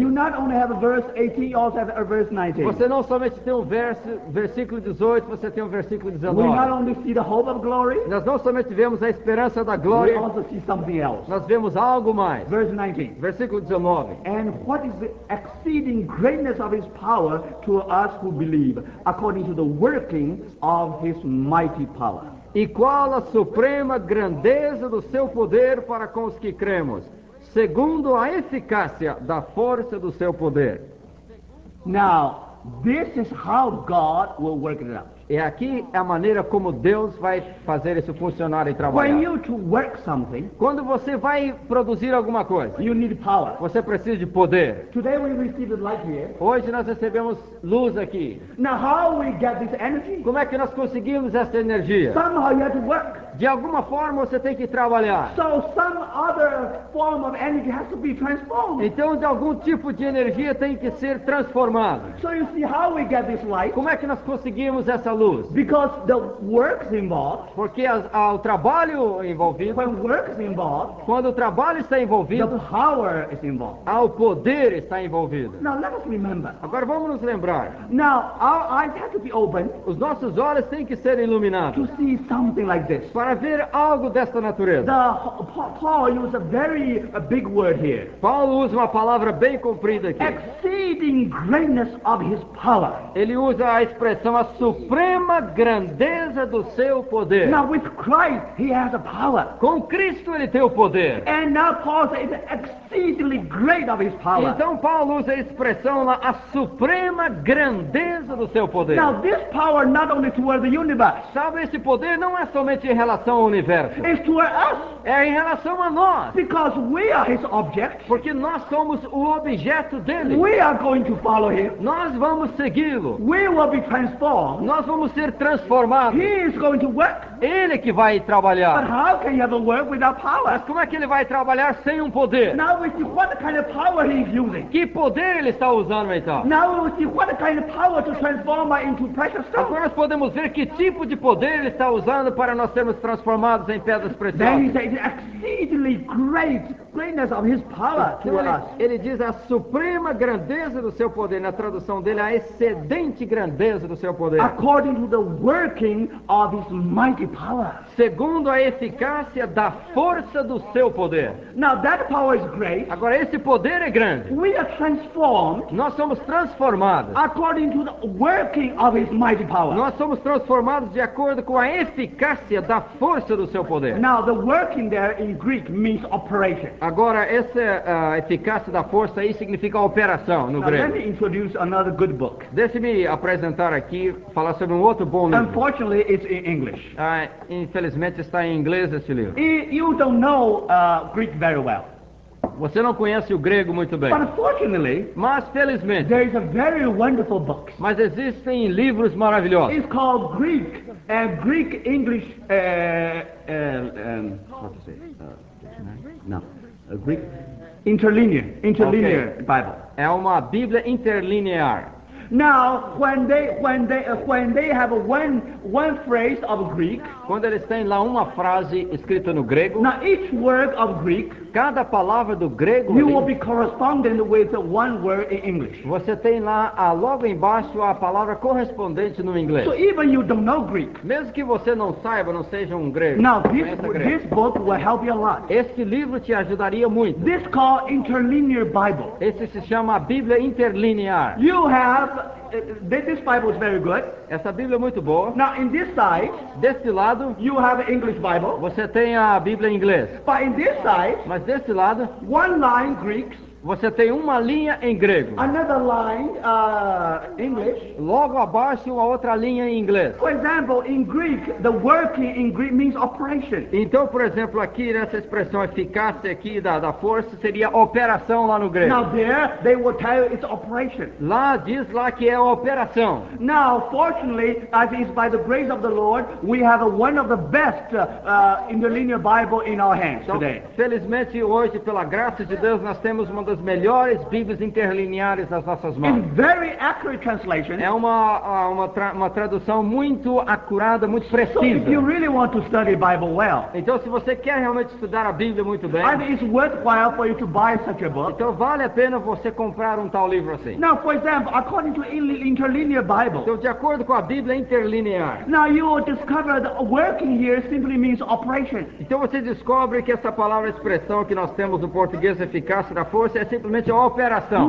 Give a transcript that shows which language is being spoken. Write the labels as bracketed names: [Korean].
[English] You not only have a verse 18, you also have a verse 19. [Portuguese] Você não somente tem versículo 18, você tem versículo 19. [English] We not only see the hope of glory. [Portuguese] Nós não somente vemos a esperança da glória. [English] We also see something else. [Portuguese] Nós vemos algo mais. [English] Verse 19. [Portuguese] Versículo 19. [English] And what is the exceeding greatness of his power to us who believe, according to the working of his mighty power. [Portuguese] E qual a suprema grandeza do seu poder para com os que cremos? Segundo a eficácia da força do seu poder. [English] Now, this is how God will work it out. [Portuguese] E aqui é a maneira como Deus vai fazer isso funcionar e trabalhar. [English] When you to work something, [Portuguese] quando você vai produzir alguma coisa, [English] you need power. [Portuguese] Você precisa de poder. [English] Today we received light here. [Portuguese] Hoje nós recebemos luz aqui. [English] Now how we get this energy? [Portuguese] Como é que nós conseguimos essa energia? [English] Somehow you have to work. [Portuguese] De alguma forma você tem que trabalhar. [English] So some other form of energy has to be transformed. [Portuguese] Então de algum tipo de energia tem que ser transformada. [English] So you see how we get this light? [Portuguese] Como é que nós conseguimos essa luz? [English] Because the works involved, [Portuguese] porque o trabalho envolvido, [English] when works involved, [Portuguese] quando o trabalho está envolvido, [English] the power is involved, [Portuguese] ao poder está envolvido. [English] Now let us remember. [Portuguese] Agora vamos nos lembrar. [English] Now our eyes have to be open. [Portuguese] Os nossos olhos têm que ser iluminados. [English] To see something like this. [Portuguese] Para ver algo desta natureza. [English] The Paul uses a very big word here. [Portuguese] Paulo usa uma palavra bem comprida aqui. [English] Exceeding greatness of his power. [Portuguese] Ele usa a expressão a suprema grandeza do seu poder. [English] Now with Christ, he has a power. [Portuguese] Com Cristo ele tem o poder. [English] And now Paul says exceedingly great of his power. [Portuguese] Então Paulo usa a expressão lá, a suprema grandeza do seu poder. [English] Now this power not only toward the universe. [Portuguese] Sabe, esse poder não é somente em relação ao universo. [English] It's toward us. [Portuguese] É em relação a nós. [English] Because we are his object. [Portuguese] Porque nós somos o objeto dele. [English] We are going to follow him. [Portuguese] Nós vamos segui-lo. [English] We will be transformed. [Portuguese] Nós vamos ser transformados. [English] He is going to work. [Portuguese] Ele que vai trabalhar. [English] But how can he ever work without power? [Portuguese] Mas como é que ele vai trabalhar sem um poder? [English] Now we see what kind of power he is using. [Portuguese] Que poder ele está usando então? [English] Now we see what kind of power to transform into precious stone. [Portuguese] Agora nós podemos ver que tipo de poder ele está usando para nós sermos transformados em pedras preciosas. [English] Exceedingly great greatness of his power to us. [Portuguese] Ele diz a suprema grandeza do seu poder, na tradução dele, a excedente grandeza do seu poder. [English] According to the working of his mighty power. [Portuguese] Segundo a eficácia da força do seu poder. [English] Now that power is great. [Portuguese] Agora esse poder é grande. [English] We are transformed. [Portuguese] Nós somos transformados. [English] According to the working of his mighty power. [Portuguese] Nós somos transformados de acordo com a eficácia da força do seu poder. [English] Now the working there in Greek means operation. [Portuguese] Agora essa eficácia da força aí significa operação no grego. [English] Let me introduce another good book. [Portuguese] Deixe-me apresentar aqui, falar sobre um outro bom livro. [English] Unfortunately, it's in English. [Portuguese] Infelizmente está em inglês esse livro. [English] You don't know Greek very well. [Portuguese] Você não conhece o grego muito bem. [English] But unfortunately, [Portuguese] mas felizmente, [English] there is a very wonderful book. [Portuguese] Mas existem livros maravilhosos. [English] It's called Greek, Greek English. What to say? No, Greek interlinear okay. Bible. [Portuguese] É uma Bíblia interlinear. [English] Now, when they have one phrase of Greek, [Portuguese] quando eles têm lá uma frase escrita no grego, [English] now each word of Greek, [Portuguese] cada palavra do grego, [English] you will be correspondent with one word in English. [Portuguese] Você tem lá logo embaixo a palavra correspondente no inglês. [English] So even you don't know Greek, [Portuguese] mesmo que você não saiba, não seja grego. [English] Now this book will help you a lot. [Portuguese] Este livro te ajudaria muito. [English] This is called interlinear Bible. [Portuguese] Esse se chama a Bíblia interlinear. [English] You have this Bible is very good. [Portuguese] Essa Bíblia é muito boa. [English] Now in this side, [Portuguese] deste lado, [English] you have an English Bible. [Portuguese] Você tem a Bíblia em inglês. [English] But in this side, [Portuguese] mas deste lado, [English] one line Greeks. [Portuguese] Você tem uma linha em grego. [English] Another line English. [Portuguese] Logo abaixo uma outra linha em inglês. [English] For example, in Greek, the working in Greek means operation. [Portuguese] Então, por exemplo, aqui nessa expressão eficácia aqui da força seria operação lá no grego. [English] Now there they will tell you it's operation. [Portuguese] Lá diz lá que é operação. [English] Now, fortunately, as is by the grace of the Lord, we have one of the best interlinear Bible in our hands [Portuguese] então, [English] today. [Portuguese] Felizmente hoje pela graça de Deus nós temos uma das melhores Bíblias interlineares nas nossas mãos. [English] In very accurate translation. [Portuguese] É uma tradução muito acurada, muito precisa. [English] So if you really want to study Bible well, [Portuguese] então se você quer realmente estudar a Bíblia muito bem, [English] and it's worthwhile for you to buy such a book. [Portuguese] Então vale a pena você comprar tal livro assim. [English] Now, for example, according to interlinear Bible. [Portuguese] Então de acordo com a Bíblia interlinear. [English] Now you will discover that working here simply means operation. [Portuguese] Então você descobre que essa palavra expressão que nós temos no português eficácia da força é simplesmente uma operação.